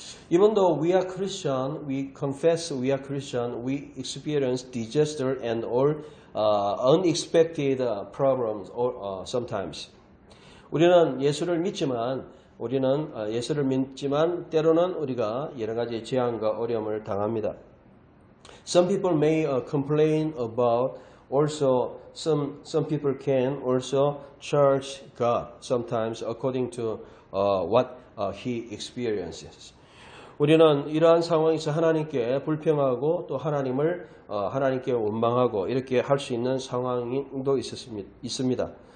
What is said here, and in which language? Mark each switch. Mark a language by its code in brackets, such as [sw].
[en] Even though we are Christian, we confess we are Christian, we experience disaster and all unexpected problems or sometimes. [ko] 우리는 예수를 믿지만 우리는 예수를 믿지만 때로는 우리가 여러 가지 재앙과 어려움을 당합니다. [en] Some people may complain about also some people can also charge God sometimes according to what he experiences. [ko] 우리는 이러한 상황에서 하나님께 불평하고 또 하나님을 하나님께 원망하고 이렇게 할 수 있는 상황도 있습니다.